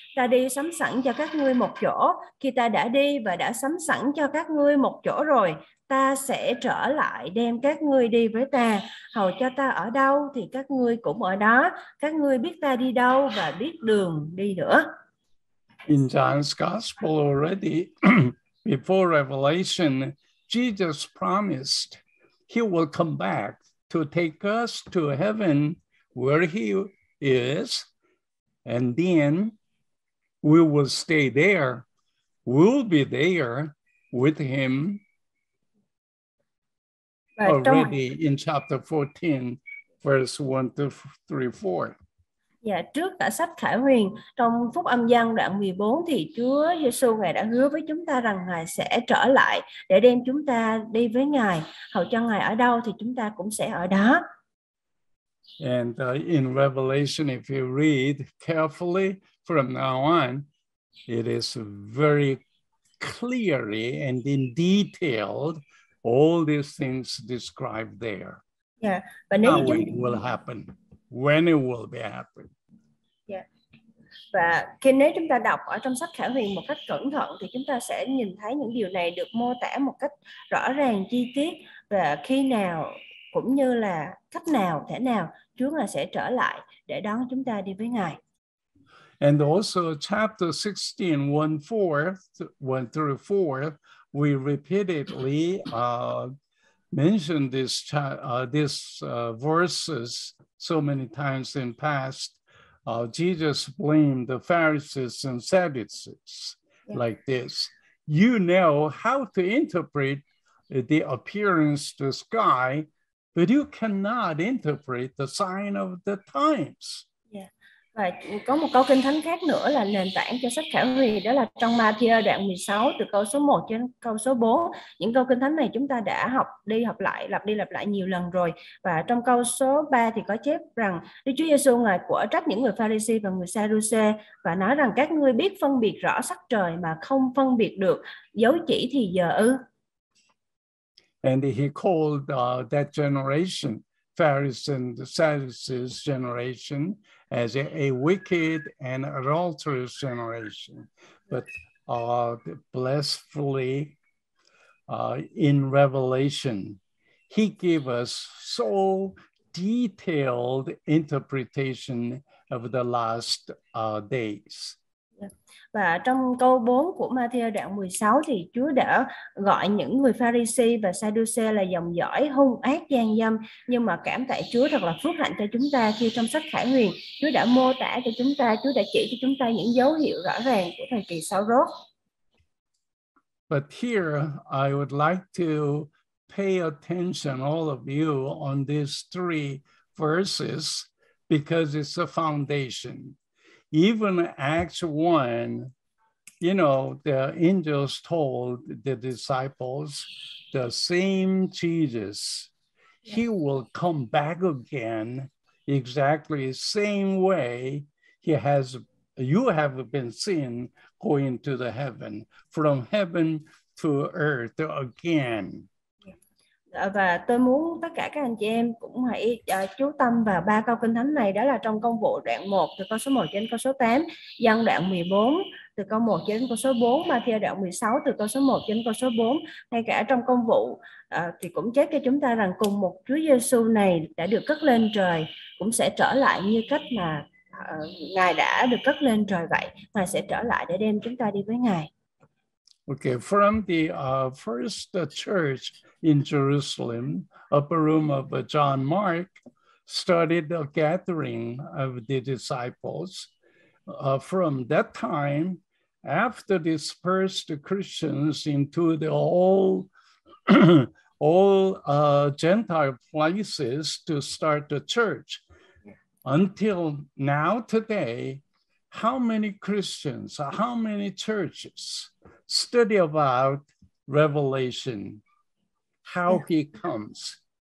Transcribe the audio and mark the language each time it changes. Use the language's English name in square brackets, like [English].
[Vietnamese] Ta đi sắm sẵn cho các ngươi một chỗ, khi ta đã đi và đã sắm sẵn cho các ngươi một chỗ rồi, ta sẽ trở lại đem các ngươi đi với ta, hầu cho ta ở đâu thì các ngươi cũng ở đó. Các ngươi biết ta đi đâu và biết đường đi nữa. [English] In John's gospel already, before Revelation, Jesus promised he will come back to take us to heaven where he is, and then we will stay there. We'll be there with him already in chapter 14, verse 1 to 3, 4. [Vietnamese] Dạ, trước cả sách Khải Huyền, trong phúc âm Giăng đoạn 14 thì Chúa Giêsu Ngài đã hứa với chúng ta rằng Ngài sẽ trở lại để đem chúng ta đi với Ngài, hầu cho Ngài ở đâu thì chúng ta cũng sẽ ở đó. [English] And in Revelation, if you read carefully from now on, it is very clearly and in detail all these things described there. [Vietnamese] Dạ, và nếu [English] how it will happen. When it will be happening. Yeah. [Vietnamese] Và khi nếu chúng ta đọc ở trong sách Khải Huyền một cách cẩn thận thì chúng ta sẽ nhìn thấy những điều này được mô tả một cách rõ ràng chi tiết và khi nào cũng như là cách nào thế nào Chúa Ngài sẽ trở lại để đón chúng ta đi với Ngài. [English] And also chapter 16, 1 through 4, we repeatedly mentioned this verses. So many times in past, Jesus blamed the Pharisees and Sadducees like this. You know how to interpret the appearance to the sky, but you cannot interpret the sign of the times. [Vietnamese] Và có một câu kinh thánh khác nữa là nền tảng cho sách Khải Huyền, đó là trong Ma-thi-ơ đoạn 16 từ câu số 1 đến câu số 4. Những câu kinh thánh này chúng ta đã học đi học lại, lặp đi lặp lại nhiều lần rồi. Và trong câu số 3 thì có chép rằng Đức Chúa Giê-xu Ngài của trách những người Pha-ri-si và người Sa-ru-xê và nói rằng các ngươi biết phân biệt rõ sắc trời mà không phân biệt được dấu chỉ thì giờ ư. [English] And he called that generation, Pharisees and the Sadducees generation, as a wicked and adulterous generation. But blessfully, in Revelation, he gave us so detailed interpretation of the last days. [Vietnamese] Và trong câu 4 của Ma-thi-ơ đoạn 16 thì Chúa đã gọi những người Pha-ri-si và Sa-đu-xê là dòng dõi hung ác gian dâm, nhưng mà cảm tạ Chúa thật là phước hạnh cho chúng ta khi trong sách Khải Huyền Chúa đã mô tả cho chúng ta, Chúa đã chỉ cho chúng ta những dấu hiệu rõ ràng của thời kỳ sau rốt. [English] But here I would like to pay attention all of you on these three verses because it's a foundation. Even Acts 1, you know, the angels told the disciples, the same Jesus, he will come back again exactly the same way he has, you have been seen going to the heaven, from heaven to earth again. [Vietnamese] Và tôi muốn tất cả các anh chị em cũng hãy chú tâm vào ba câu kinh thánh này, đó là trong công vụ đoạn 1 từ câu số 1 đến câu số 8, dân đoạn 14 từ câu 1 đến câu số 4, Ma-thi-ơ đoạn 16 từ câu số 1 đến câu số 4, ngay cả trong công vụ thì cũng chép cho chúng ta rằng cùng một Chúa Giê-xu này đã được cất lên trời cũng sẽ trở lại như cách mà Ngài đã được cất lên trời vậy, Ngài sẽ trở lại để đem chúng ta đi với Ngài. [English] Okay, from the first church in Jerusalem, upper room of John Mark, started a gathering of the disciples. From that time, after dispersed Christians into the whole, Gentile places to start the church, until now today, how many Christians, how many churches study about Revelation, how he comes?